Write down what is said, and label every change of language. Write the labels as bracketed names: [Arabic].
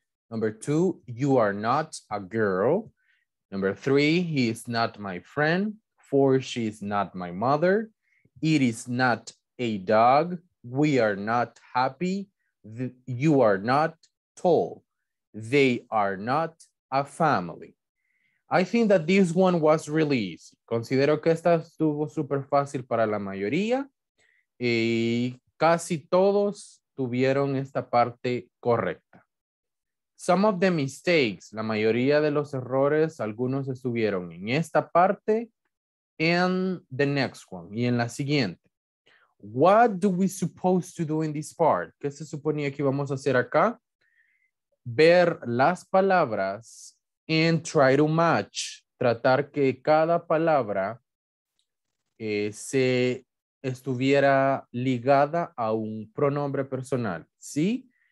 [English] Number two, you are not a girl. Number three, he is not my friend. Four, she is not my mother. It is not a dog. We are not happy. You are not tall. They are not a family. I think that this one was really easy. [Spanish] Considero que esta estuvo super fácil para la mayoría. Y casi todos tuvieron esta parte correcta. [English] Some of the mistakes, [Spanish] la mayoría de los errores, algunos estuvieron en esta parte, [English] and the next one, [Spanish] y en la siguiente. [English] What do we supposed to do in this part? [Spanish] ¿Qué se suponía que íbamos a hacer acá? Ver las palabras [English] and try to match, [Spanish] tratar que cada palabra se estuviera ligada a un pronombre personal, ¿sí?